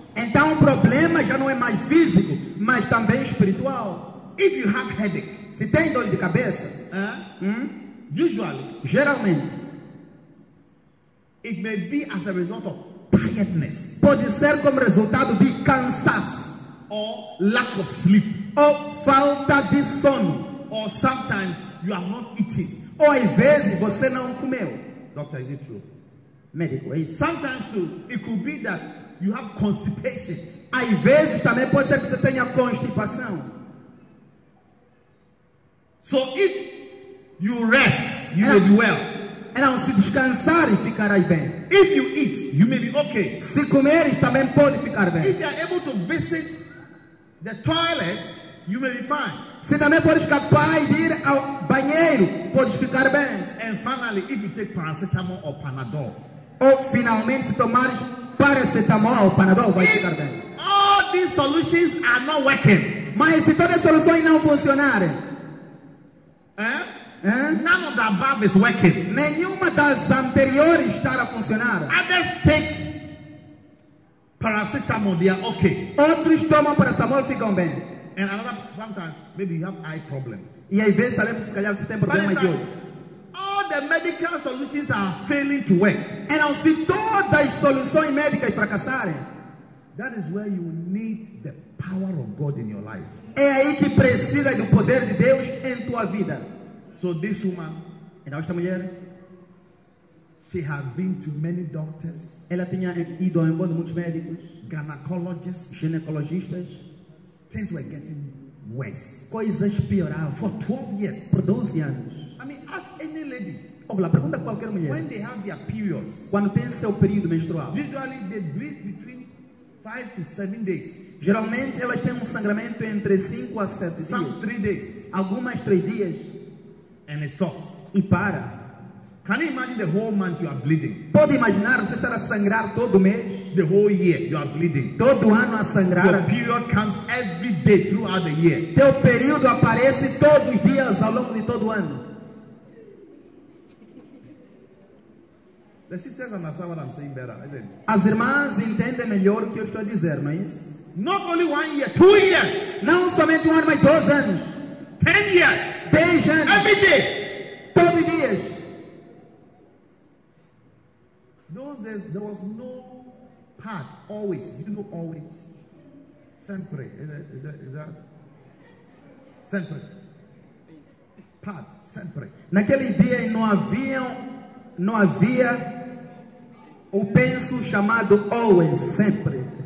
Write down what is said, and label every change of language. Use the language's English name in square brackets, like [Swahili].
[Portuguese] Então o problema já não é mais físico, mas também espiritual. [English] If you have headache, [Portuguese] se tem dor de cabeça, [English] usually, [Portuguese] geralmente, [English] it may be as a result of tiredness. [Portuguese] Pode ser como resultado de cansaço, [English] or lack of sleep, [Portuguese] ou falta de sono, [English] or sometimes you are not eating, [Portuguese] ou às vezes você não comeu. [English] Doctor, is it true? [Portuguese] Médico, é isso. [English] Sometimes too, it could be that you have constipation. [Portuguese] Às vezes também pode ser que você tenha constipação. [English] So if you rest, you will be well. [Portuguese] E não se descansar, ficará bem. [English] If you eat, you may be okay. [Portuguese] Se comer, também pode ficar bem. [English] If you are able to visit the toilet, you may be fine. [Portuguese] Se também for capaz de ir ao banheiro, pode ficar bem. [English] And finally, if you take paracetamol or panadol. [Portuguese] Ou finalmente se tomar paracetamol ou panadol, vai ficar bem. [English] All these solutions are not working. [Portuguese] Mas se todas as soluções não funcionarem. [English] None of the above is working. [Portuguese] Nenhuma das anteriores está a funcionar. [English] Others take paracetamol, they are okay. [Portuguese] Outros tomam paracetamol, ficam bem. [English] And another, sometimes maybe you have eye problem. [Portuguese] E às vezes também porque se calhar você tem problema de olho. [English] All the medical solutions are failing to work. [Portuguese] E não se todas as soluções médicas fracassarem. [English] That is where you need the power of God in your life. [Portuguese] É aí que precisa do poder de Deus em tua vida. [English] So this woman, [Portuguese] então esta mulher, [English] she had been to many doctors. [Portuguese] Ela tinha ido a muitos médicos, [English] gynecologists, [Portuguese] ginecologistas. [English] Things were getting worse. [Portuguese] Coisas pioravam. [English] For 12 years. [Portuguese] Por 12 anos. [English] I mean, ask any lady. [Portuguese] Ouvela, pergunta qualquer mulher. [English] When they have their periods. [Portuguese] Quando tem seu período menstrual. [English] Usually they bleed between 5 to 7 days. [Portuguese] Geralmente elas têm sangramento entre 5 a 7 dias. [English] Some 3 days. [Portuguese] Algumas 3 dias. [English] And it stops. [Portuguese] E para. [English] Can you imagine the whole month you are bleeding? [Portuguese] Pode imaginar você estar a sangrar todo mês? [English] The whole year you are bleeding. [Portuguese] Todo ano a sangrar. [English] Your period comes every day throughout the year. [Portuguese] Teu período aparece todos os dias ao longo de todo o ano. [English] The sisters understand what I'm saying better, isn't it? [Portuguese] As irmãs entendem melhor o que eu estou a dizer, não é isso? [English] Not only 1 year, 2 years. [Portuguese] Não somente 1 ano, mas 2 anos. [English] 10 years. [Portuguese] 10 anos. [English] Every day. [Portuguese] Todos os dias. [English] Those days there was no part, always, you know, always, sempre, is that? [Portuguese] Sempre, part, sempre. Naquele dia não havia o penso chamado always, sempre.